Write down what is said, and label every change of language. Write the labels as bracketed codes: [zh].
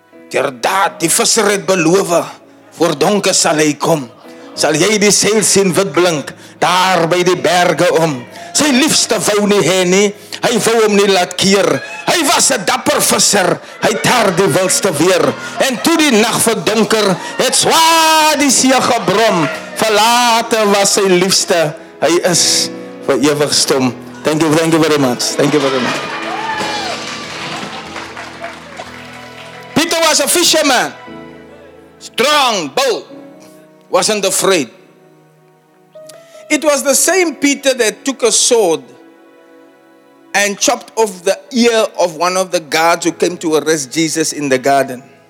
[af] Ter daad, die visser het beloof, voor donker sal hy kom. Sal jy die seil sien wit blink, daar by die berge om. Sy liefste wou nie hê nie, hy wou hom nie laat keer. Hy was 'n dapper visser, hy taar die wilste weer. En toe die nag verdonker, het swaar die see gebrom. Verlate was sy liefste, hy is vir ewig stom. [en] Thank you very much, thank you very much. Peter was a fisherman, strong, bold, wasn't afraid. It was the same Peter that took a sword and chopped off the ear of one of the guards who came to arrest Jesus in the garden.